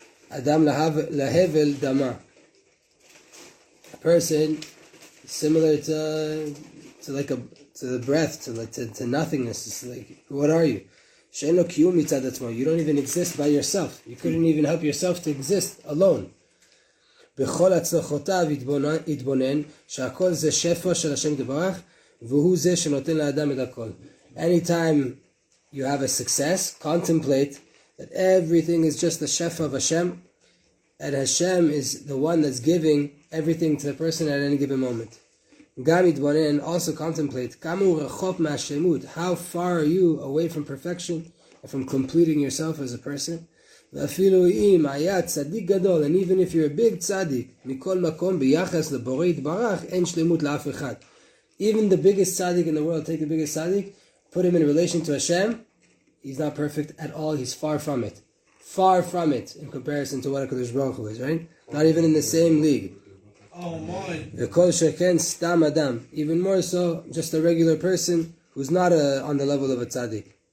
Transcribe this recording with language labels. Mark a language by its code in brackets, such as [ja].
[he] Adam lahevel dama. [en] A person, similar to the breath, to nothingness, it's like, what are you? [he] She'en lo kiyum mitzad atzmo. [en] You don't even exist by yourself. You couldn't even help yourself to exist alone. [he] בכל הצלחותיו יתבונן שהכל זה שפע של השם יתברך והוא זה שנותן לאדם את הכל. [en] Anytime you have a success, contemplate that everything is just the shefa of Hashem, and Hashem is the one that's giving everything to the person at any given moment. [he] גם יתבונן, [en] also contemplate [he] כמה הוא רחוק מהשלמות. [en] How far are you away from perfection and from completing yourself as a person? [he] ואפילו אם היה צדיק גדול, [en] and even if you're a big צדיק, [he] מכל מקום ביחס לבורא יתברך, אין שלמות לאף אחד. [en] Even the biggest צדיק in the world, take the biggest צדיק, put him in relation to Hashem, he's not perfect at all, he's far from it. Far from it, in comparison to what HaKadosh Baruch Hu is, right? Not even in the same league. Oh my! [he] וכל שכן סתם אדם, [en] even more so, just a regular person, who's not on the level of a צדיק.